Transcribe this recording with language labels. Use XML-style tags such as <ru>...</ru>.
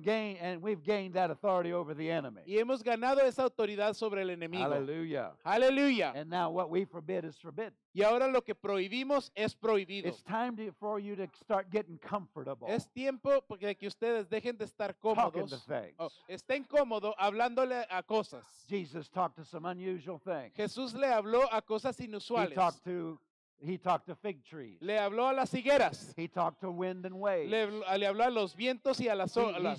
<en>And we've gained that authority over the enemy.</en> <es>Y hemos ganado esa autoridad sobre el enemigo.</es> <en>Hallelujah.</en> <es>Hallelujah.</es> <en>And now what we forbid is forbidden.</en> <es>Y ahora lo que prohibimos es prohibido.</es> <en>It's time for you to start getting comfortable.</en> <es>Es tiempo de que ustedes dejen de estar cómodos.</es> <en>Talking to things. Oh,</en> <es>estén cómodos hablándole a cosas.</es> <en>Jesus talked to some unusual things.</en> <es>Jesús le habló a cosas inusuales.</es> <en>He talked to fig trees.</en> <es>Le habló a las higueras.</es> <en>He talked to wind and waves.</en> <es>Le habló a los vientos y a las olas.</es>